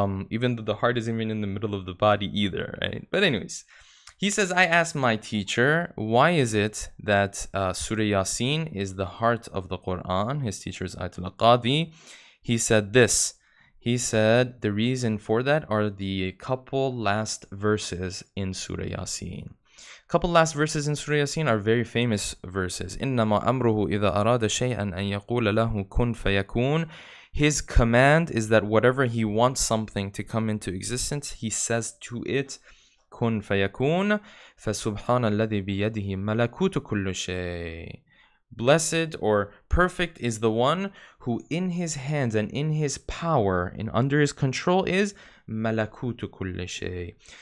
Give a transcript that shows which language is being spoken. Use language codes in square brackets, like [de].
[en] Even though the heart isn't even in the middle of the body either, right? But anyways, he says, I asked my teacher, why is it that Surah Yaseen is the heart of the Quran? His teacher is Ayatollah Qadhi. He said this. He said, the reason for that are the couple last verses in Surah Yaseen. Couple last verses in Surah Yaseen are very famous verses. [ar] إِنَّمَا أَمْرُهُ إِذَا أَرَادَ شَيْئًا أَن يَقُولَ لَهُ كُنْ فَيَكُونَ. [en] His command is that whatever he wants something to come into existence, he says to it, [ar] كُنْ فَيَكُونَ. فَسُبْحَانَ الَّذِي بِيَدِهِ مَلَكُوتُ كُلُّ شَيْءٍ. [en] Blessed or perfect is the one who in his hands and in his power and under his control is [ar] مَلَكُوتُ كُلِّ شَيْءٍ.